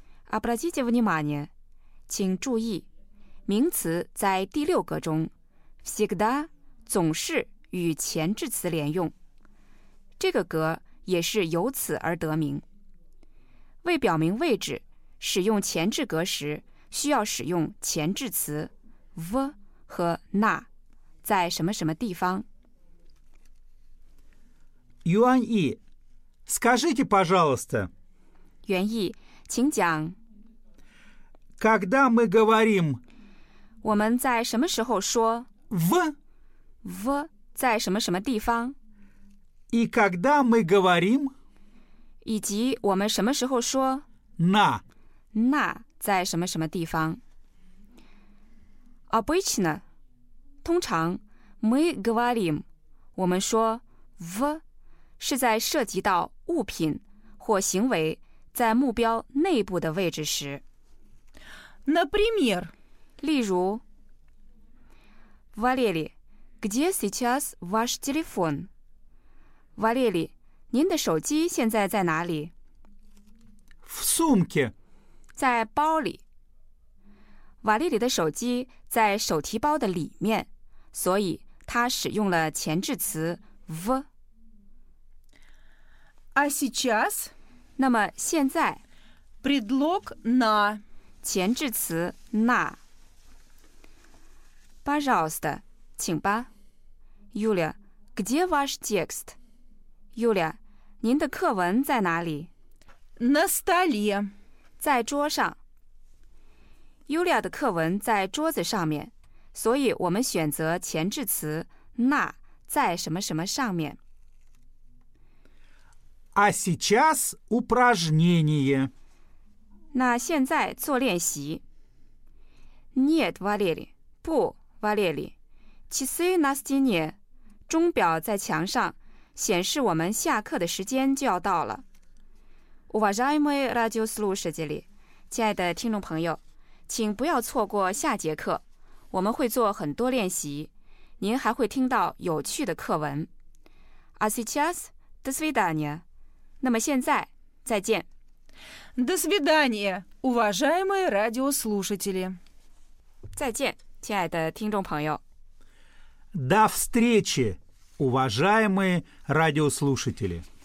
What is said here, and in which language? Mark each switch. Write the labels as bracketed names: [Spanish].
[Russian] Обратите внимание, [Chinese] 请注意，名词在第六格中 [Russian] всегда [Chinese] 总是与前置词连用，这个格也是由此而得名。为表明位置，使用前置格时需要使用前置词 v 和 na 在什么什么地方。 [Russian] Юань И, скажите, пожалуйста. [Chinese] 袁毅，请讲。 [Russian] Когда мы говорим, [Chinese] 我们在什么时候说 [Russian] в, [Chinese] в 在什么什么地方, [Russian] и когда мы говорим, [Chinese] 以及我们什么时候说 [Russian] на, [Chinese] на 在什么什么地方. [Russian] Обычно, [Chinese] 通常, [Russian] мы говорим, [Chinese] 我们说 в, 是在涉及到物品或行为在目标内部的位置时。 [Russian] Например, [Chinese] 例如, [Russian] Валерий, где сейчас ваш телефон? [Chinese] Валерий, 您的手机现在在哪里? [Russian] В сумке. [Chinese] 在包里. Валерий 的手机在手提包的里面, 所以他使用了前置词 в. [Russian] А сейчас? [Chinese] 那么现在, [Russian] предлог на. [Chinese] 前置词那 [Russian] Пожалуйста, [Chinese] 请吧 [Russian] Юля, где ваш текст? [Chinese] Юля, 您的课文在哪里? [Russian] На столе [Chinese] 在桌上 Юля 的课文在桌子上面，所以我们选择前置词那在什么什么上面。 [Russian] А сейчас упражнение [Chinese] 那现在做练习 [Russian] Нет, Валерий [Chinese] 不, Валерий [Russian] Часы на стене [Chinese] 钟表在墙上 显示我们下课的时间就要到了 [Russian] Уважаемые радиослушатели [Chinese] 亲爱的听众朋友请不要错过下节课我们会做很多练习您还会听到有趣的课文 [Russian] А сейчас До свидания [Chinese] 那么现在再见 [Russian] До свидания, уважаемые радиослушатели. [Chinese] 再见, 亲爱的听众朋友. [Russian] До встречи, уважаемые радиослушатели.